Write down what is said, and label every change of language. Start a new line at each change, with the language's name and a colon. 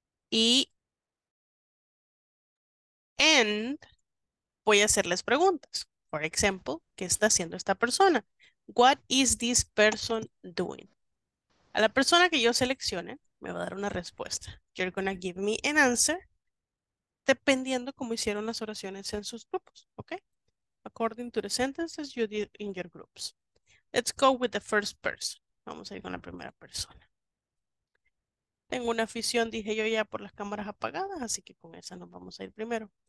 Spanish: Y and voy a hacerles preguntas.
English: For example,
Spanish: ¿qué está haciendo esta persona?
English: What is this person doing?
Spanish: A la persona que yo seleccione me va a dar una respuesta.
English: You're gonna give me an answer
Spanish: dependiendo cómo hicieron las oraciones en sus grupos, okay?
English: According to the sentences you did in your groups. Let's go with the first person.
Spanish: Vamos a ir con la primera persona. Tengo una afición, dije yo ya, por las cámaras apagadas, así que con esa nos vamos a ir primero.